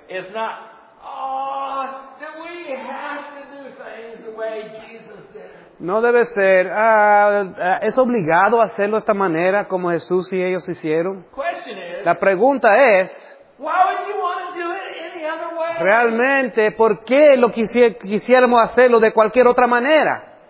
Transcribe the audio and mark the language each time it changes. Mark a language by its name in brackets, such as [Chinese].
[English] It's not, oh, we have to do things the way Jesus did. [Spanish] No debe ser, es obligado hacerlo de esta manera como Jesús y ellos hicieron. [English] Question is, [Spanish] la pregunta es, [English] why would you want to do it any other way? [Spanish] Realmente, ¿por qué lo quisiéramos hacerlo de cualquier otra manera?